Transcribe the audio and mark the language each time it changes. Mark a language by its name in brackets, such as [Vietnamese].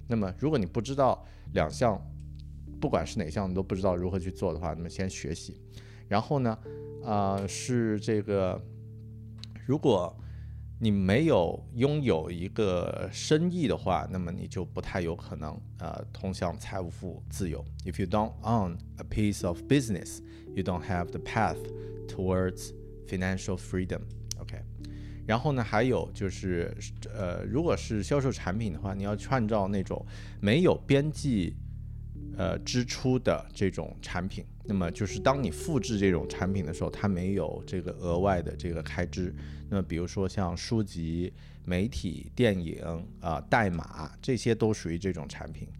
[Chinese] 那么如果你不知道两项，不管是哪项你都不知道如何去做的话，那么先学习。然后呢是这个，如果你没有拥有一个生意的话，那么你就不太有可能通向财务自由。 [English] If you don't own a piece of business, you don't have the path towardsfinancial freedom， OK。 [Chinese] 然后呢还有就是如果是销售产品的话，你要创造那种没有边际支出的这种产品，那么就是当你复制这种产品的时候，它没有这个额外的这个开支。那么比如说像书籍、媒体、电影、代码，这些都属于这种产品。